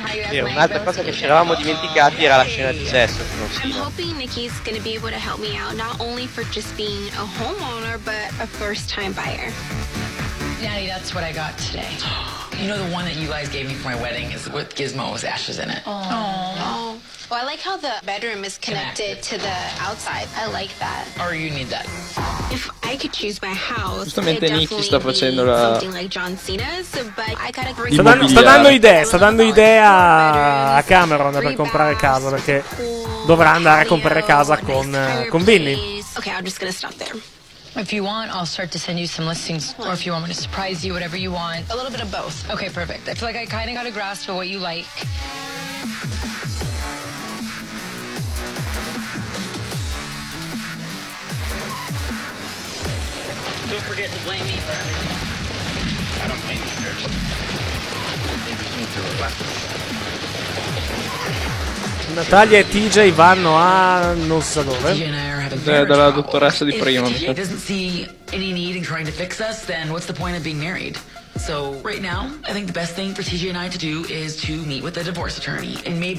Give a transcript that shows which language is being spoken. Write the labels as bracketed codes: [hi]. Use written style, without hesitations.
[it] Sì, un'altra cosa che ci eravamo dimenticati era la scena di sesso. [en] I'm hoping Nikki's gonna be able to help me out, not only for just being a homeowner, but a first time buyer. Natty, that's what I got today. You know the one that you guys gave me for my wedding is with gizmos ashes in it. Aww. Well, I like how the bedroom is connected to the outside. I like that. Or you need that. If I could choose my house, [it] giustamente Nikki sta facendo la sta dando idea a Cameron per comprare casa, perché dovrà andare a comprare casa con Billy. [en] Okay, I'm just gonna stop there. If you want, I'll start to send you some listings, or if you want me to surprise you, whatever you want. A little bit of both. Okay, perfect. I feel like I kind of got a grasp of what you like. Don't forget to blame me for everything. I don't blame you, Church. Maybe you need to relax. [it] Natalia e TJ vanno a non so dove. Dalla dottoressa di prima. [en] If TJ doesn't see any need in trying to fix us, then what's the point of being married? So right now, I think the best thing for TJ and I to do is to meet with a divorce attorney and maybe.